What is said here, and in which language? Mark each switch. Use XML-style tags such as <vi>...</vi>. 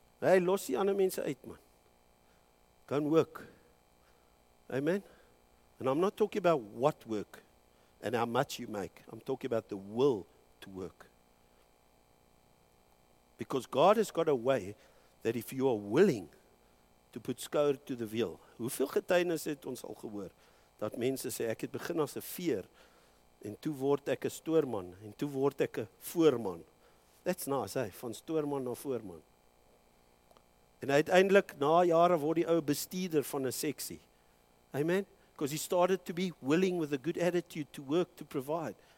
<af>Hy los die ander mense uit, man.</af> <en>Can work.</en> <af>Amen?</af> <en>And I'm not talking about what work and how much you make. I'm talking about the will to work. Because God has got a way that if you are willing to put skouer to the wheel.</en> <af>Hoeveel getuienis het ons al gehoor? Dat mense sê, ek het begin as 'n veer en toe word ek 'n stoorman en toe word ek 'n voorman.</af> <en>That's nice, hey?</en> <af>Van stoorman na voorman. En uiteindelik, na jare, word die ou bestuurder van 'n seksie. Amen?</af> <en>Because he started to be willing with a good attitude to work, to provide.</en>